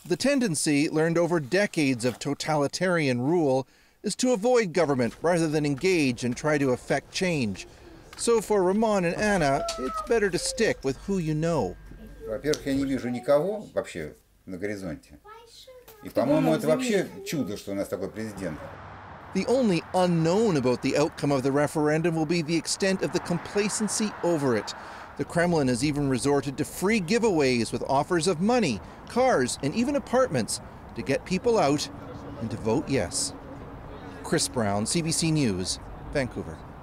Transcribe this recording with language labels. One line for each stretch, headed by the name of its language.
English: The tendency, learned over decades of totalitarian rule, is to avoid government rather than engage and try to affect change. So for Roman and Anna, it's better to stick with who you know.
Russian: Во-первых, я не вижу никого вообще на горизонте. И, по-моему, это вообще чудо, что у нас такой президент.
English: The only unknown about the outcome of the referendum will be the extent of the complacency over it. The Kremlin has even resorted to free giveaways with offers of money, cars, and even apartments to get people out and to vote yes. Chris Brown, CBC News, Vancouver.